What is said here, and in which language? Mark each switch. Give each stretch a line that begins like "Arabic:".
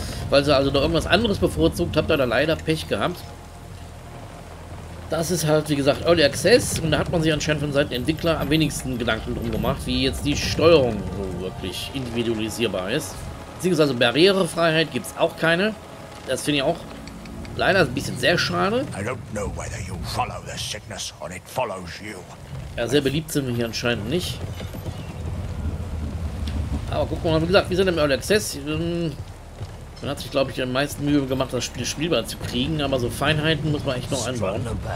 German: Weil sie also da irgendwas anderes bevorzugt, habt ihr da leider Pech gehabt. Das ist halt, wie gesagt, Early Access und da hat man sich anscheinend von Seiten Entwickler am wenigsten Gedanken drum gemacht, wie jetzt die Steuerung so wirklich individualisierbar ist. Beziehungsweise Barrierefreiheit gibt es auch keine. Das finde ich auch leider ein bisschen sehr schade.
English: I don't know whether you follow the sickness or it follows you.
German: Ja, sehr beliebt sind wir hier anscheinend nicht. Aber guck mal, wie gesagt, wir sind im Early Access. Man hat sich, glaube ich, am meisten Mühe gemacht, das Spiel spielbar zu kriegen, aber so Feinheiten muss man echt noch einbauen.